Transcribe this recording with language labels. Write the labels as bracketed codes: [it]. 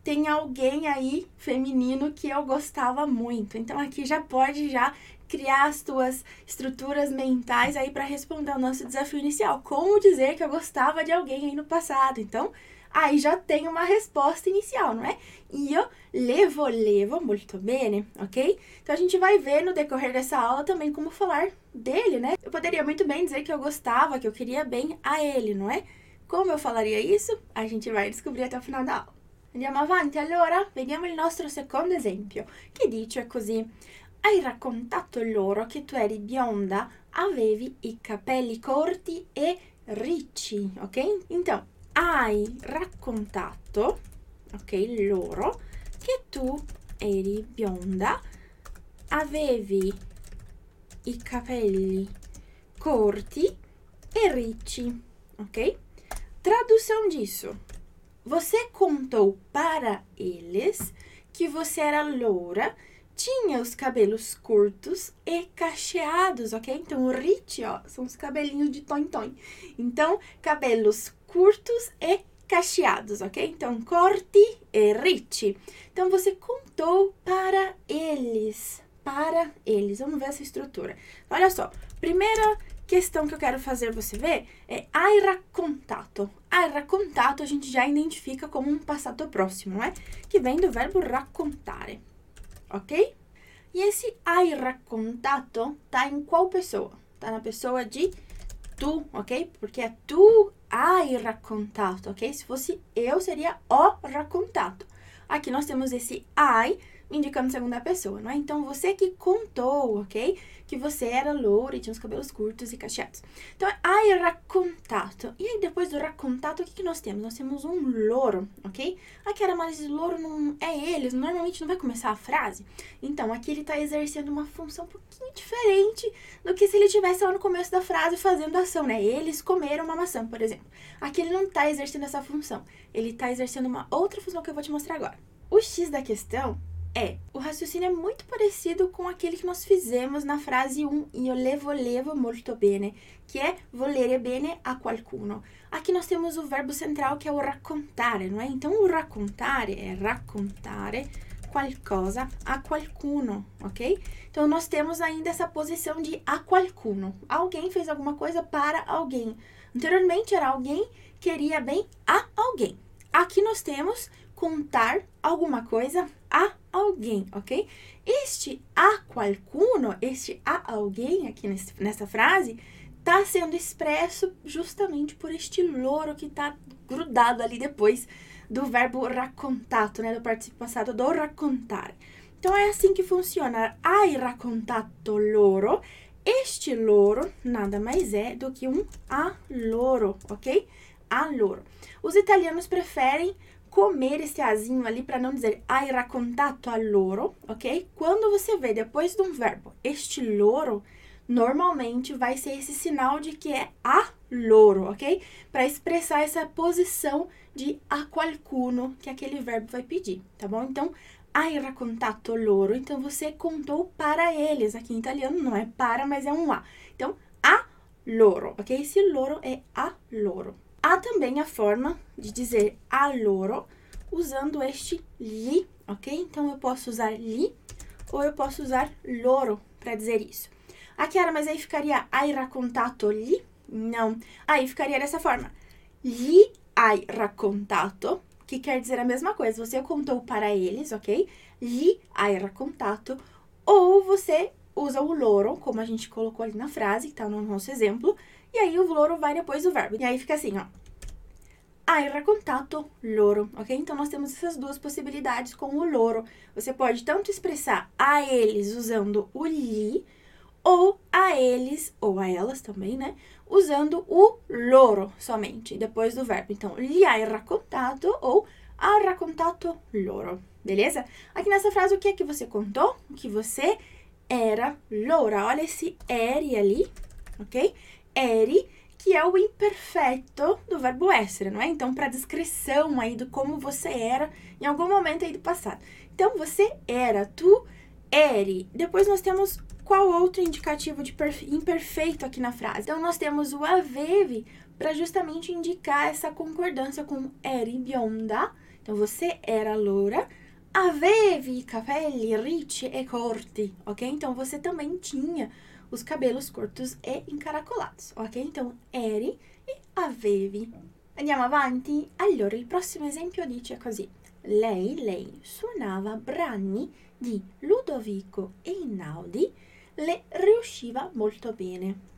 [pt] Tem alguém aí feminino que eu gostava muito. Então, aqui já pode já criar as tuas estruturas mentais aí para responder ao nosso desafio inicial. Como dizer que eu gostava de alguém aí no passado? Então, aí já tem uma resposta inicial, não é? [it] Io le volevo molto bene, ok? [pt] Então a gente vai ver no decorrer dessa aula também como falar dele, né? Eu poderia muito bem dizer que eu gostava, que eu queria bem a ele, não é? Como eu falaria isso? A gente vai descobrir até o final da aula. [it] Andiamo avanti, allora? Vediamo il nostro secondo esempio, che dice così: Hai raccontato loro che tu eri bionda, avevi i capelli corti e ricci, ok? [pt] Então. [it] Hai raccontato, ok, loro, che tu eri bionda, avevi i capelli corti e ricci, ok? [pt] Tradução disso. Você contou para eles que você era loura, tinha os cabelos curtos e cacheados, ok? Então, ricci, ó, são os cabelinhos de tonton. Então, cabelos curtos e cacheados, ok? Então, corti e ricci. Então, você contou para eles. Para eles. Vamos ver essa estrutura. Olha só. Primeira questão que eu quero fazer você ver é hai raccontato. [it] Hai raccontato [pt] a gente já identifica como um passato próximo, não é? Que vem do verbo raccontare. Ok? E esse hai raccontato tá em qual pessoa? Tá na pessoa de tu, ok? Porque é tu. [it] Hai raccontato, ok? [pt] Se fosse eu, seria ho raccontato. Aqui nós temos esse hai indicando segunda pessoa, não é? Então, você que contou, ok? Que você era loura e tinha os cabelos curtos e cacheados. Então, [it] hai raccontato. [pt] E aí, depois do raccontato, o que que nós temos? Nós temos um loro, ok? Aqui era mais loro, não é eles. Normalmente, não vai começar a frase. Então, aqui ele está exercendo uma função um pouquinho diferente do que se ele tivesse lá no começo da frase fazendo ação, né? Eles comeram uma maçã, por exemplo. Aqui ele não está exercendo essa função. Ele está exercendo uma outra função que eu vou te mostrar agora. O X da questão. É, o raciocínio é muito parecido com aquele que nós fizemos na frase 1, [it] io le volevo molto bene, [pt] que é [it] volere bene a qualcuno. [pt] Aqui nós temos o verbo central que é o raccontare, não é? Então, o raccontare é [it] raccontare qualcosa a qualcuno, [pt] ok? Então, nós temos ainda essa posição de a qualcuno. Alguém fez alguma coisa para alguém. Anteriormente era alguém queria bem a alguém. Aqui nós temos contar alguma coisa a alguém, ok? Este a qualcuno, este a alguém aqui nessa frase, está sendo expresso justamente por este loro que está grudado ali depois do verbo raccontato, né? Do participio passado do raccontare. Então é assim que funciona. [it] Hai raccontato loro. [pt] Este loro nada mais é do que um a loro, ok? A loro. Os italianos preferem comer esse azinho ali para não dizer [it] hai raccontato a loro, [pt] ok? Quando você vê depois de um verbo este loro, normalmente vai ser esse sinal de que é a loro, ok? Para expressar essa posição de a qualcuno que aquele verbo vai pedir, tá bom? [it] Então, hai raccontato loro. [pt] Então, você contou para eles. Aqui em italiano não é para, mas é um a. Então, a loro, ok? Esse loro é a loro. Há também a forma de dizer a loro usando este gli, ok? Então eu posso usar gli ou eu posso usar loro para dizer isso. Aqui era, mas aí ficaria [it] hai raccontato gli? [pt] Não. Aí ficaria dessa forma: [it] gli hai raccontato, [pt] que quer dizer a mesma coisa. Você contou para eles, ok? [it] Gli hai raccontato. [pt] Ou você usa o loro, como a gente colocou ali na frase, que está no nosso exemplo. E aí o loro vai depois do verbo. E aí fica assim, ó. [it] Hai raccontato loro, [pt] ok? Então nós temos essas duas possibilidades com o loro. Você pode tanto expressar a eles usando o gli, ou a eles, ou a elas também, né? Usando o loro somente, depois do verbo. [it] Então, gli hai raccontato ou ha raccontato loro, [pt] beleza? Aqui nessa frase, o que é que você contou? Que você era loura. Olha esse eri ali, ok? Eri. Que é o imperfeito do verbo essere, não é? Então, para descrição aí do como você era em algum momento aí do passado. Então você era, tu eri. Depois nós temos qual outro indicativo de imperfeito aqui na frase? Então nós temos o aveve para justamente indicar essa concordância com eri bionda. Então você era loura, [it] avevi i capelli ricci e corti, ok? [pt] Então você também tinha os cabelos curtos e encaracolados, ok? Então [it] eri e avevi. Andiamo avanti. Allora, il prossimo esempio dice così. Lei suonava brani di Ludovico Einaudi, le riusciva molto bene.